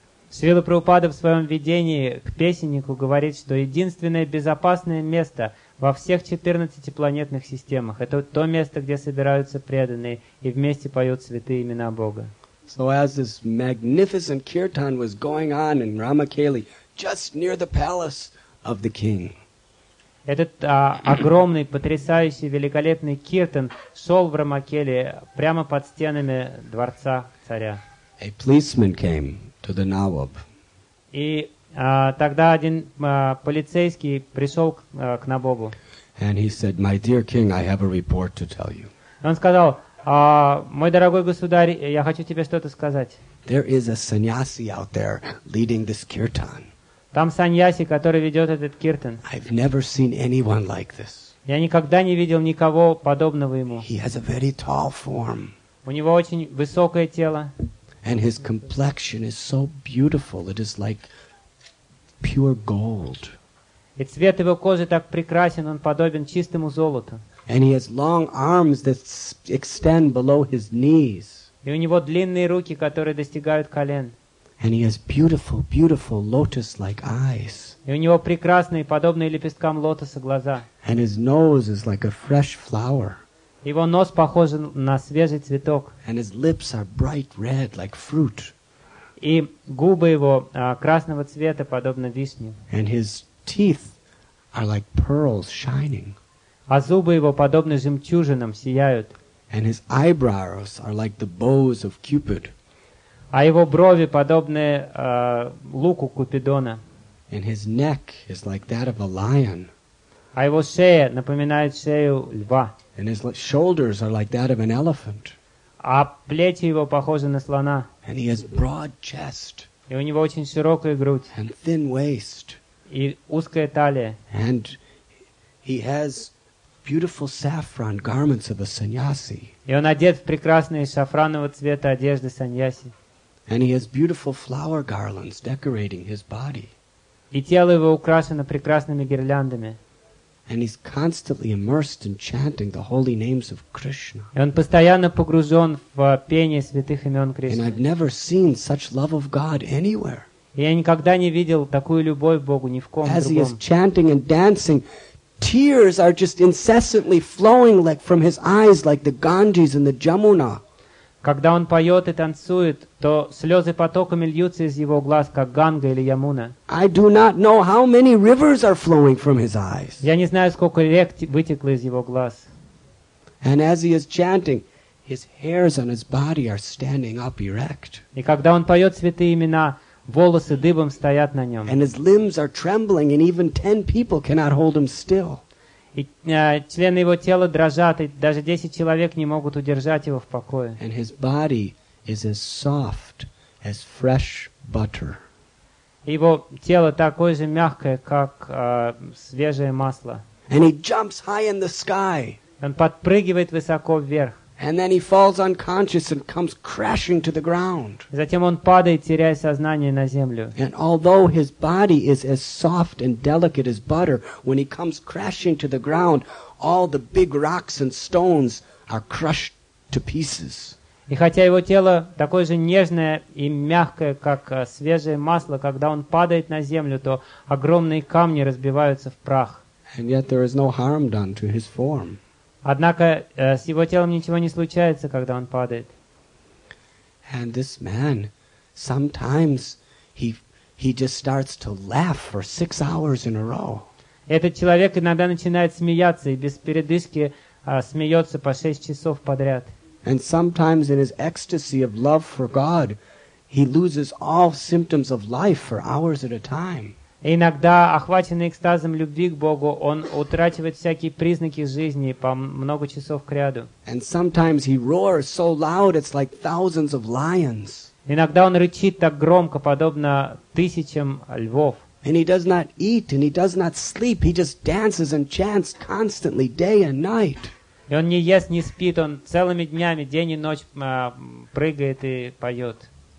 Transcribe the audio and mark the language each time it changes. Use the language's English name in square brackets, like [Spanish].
[Russian] Srila Prabhupada в своем видении к песеннику говорит, что единственное безопасное место во всех 14 планетных системах это то место, где собираются преданные и вместе поют святые имена Бога. [English] So as this magnificent kirtan was going on in Ramakeli, just near the palace of the king. [Russian] Этот огромный, потрясающий, великолепный киртан шел в Рамакели прямо под стенами дворца царя. [English] A policeman came to the Nawab. [Russian] И тогда один полицейский пришел к Набобу. [English] And he said, "My dear king, I have a report to tell you." [Russian] Он сказал, мой дорогой государь, я хочу тебе что-то сказать. [English] There is a sannyasi out there leading this kirtan. [Russian] Там саньяси, который ведет этот киртан. [English] I've never seen anyone like this. [Russian] Я никогда не видел никого подобного ему. [English] He has a very tall form. [Russian] У него очень высокое тело. [English] And his complexion is so beautiful, it is like pure gold. [Russian] И цвет его кожи так прекрасен, он подобен чистому золоту. [English] And he has long arms that extend below his knees. [Russian] И у него длинные руки, которые достигают колен. [English] And he has beautiful, beautiful lotus-like eyes. [Russian] И у него прекрасные, подобные лепесткам лотоса, глаза. [English] And his nose is like a fresh flower. [Russian] Его нос похож на свежий цветок. [English] And his lips are bright red, like fruit. [Russian] И губы его красного цвета, подобно вишне. [English] And his teeth are like pearls shining. [Russian] А зубы его, подобно жемчужинам, сияют. [English] And his eyebrows are like the bows of Cupid. [Russian] А его брови, подобны луку Купидона. [English] And his neck is like that of a lion. [Russian] А его шея напоминает шею льва. [English] And his shoulders are like that of an elephant. [Russian] А плечи его похожи на слона. [English] And he has broad chest. [Russian] И у него очень широкая грудь. [English] And thin waist. [Russian] И узкая талия. [English] And he has beautiful saffron garments of a sannyasi. [Russian] И он одет в прекрасные шафранового цвета одежды сannyasi. [English] And he has beautiful flower garlands decorating his body. [Russian] И тело его украшено прекрасными гирляндами. [English] And he's constantly immersed in chanting the holy names of Krishna. [Russian] И он постоянно погружен в пение святых имен Кришны. [English] And I've never seen such love of God anywhere. [Russian] Я никогда не видел такую любовь к Богу ни в ком другом. [English] As he is chanting and dancing, tears are just incessantly flowing like from his eyes, like the Ganges and the Jamuna. [Russian] Когда он поет и танцует, то слезы потоками льются из его глаз, как Ганга или Ямуна. [English] I do not know how many rivers are flowing from his eyes. [Russian] Я не знаю, сколько рек вытекло из его глаз. [English] And as he is chanting, his hairs on his body are standing up erect. [Russian] И когда он поет святые имена, волосы дыбом стоят на нем. [English] And his limbs are trembling, and even 10 people cannot hold him still. [Russian] И члены его тела дрожат, и даже 10 человек не могут удержать его в покое. [English] And his body is as soft as fresh butter. [Russian] Его тело такое же мягкое, как свежее масло. [English] And he jumps high in the sky. [Russian] Он подпрыгивает высоко вверх. [English] And then he falls unconscious and comes crashing to the ground. [Russian] Затем он падает, теряя сознание, на землю. [English] And although his body is as soft and delicate as butter, when he comes crashing to the ground, all the big rocks and stones are crushed to pieces. [Russian] И хотя его тело такое же нежное и мягкое, как свежее масло, когда он падает на землю, то огромные камни разбиваются в прах. [English] And yet there is no harm done to his form. [Russian] Однако с его телом ничего не случается, когда он падает. [English] And this man, sometimes he just starts to laugh for 6 hours in a row. [Russian] Этот человек иногда начинает смеяться и без передышки смеется по 6 часов подряд. [English] And sometimes in his ecstasy of love for God, he loses all symptoms of life for hours at a time. [Russian] Иногда, охваченный экстазом любви к Богу, он утрачивает всякие признаки жизни по много часов к ряду. [English] And sometimes he roars so loud, it's like thousands of lions. [Russian] Иногда он рычит так громко, подобно тысячам львов. [English] And he does not eat and he does not sleep, he just dances and chants constantly, day and night. [Russian] И он не ест, не спит, он целыми днями, день и ночь прыгает и поет.